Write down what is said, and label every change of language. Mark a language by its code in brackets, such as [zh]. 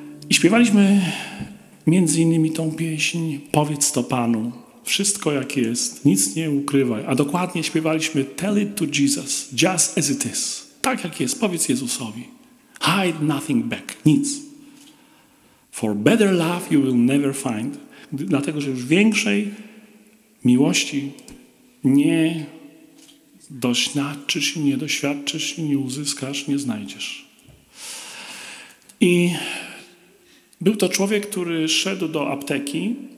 [pl] I śpiewaliśmy między innymi tą pieśń Powiedz to Panu, wszystko jak jest, nic nie ukrywaj. A dokładnie śpiewaliśmy [en] Tell it to Jesus, just as it is. [pl] Tak jak jest, powiedz Jezusowi. [en] Hide nothing back, nic. For better love you will never find. [pl] Dlatego, że już większej miłości nie doświadczysz, nie doświadczysz, nie uzyskasz, nie znajdziesz. I był to człowiek, który szedł do apteki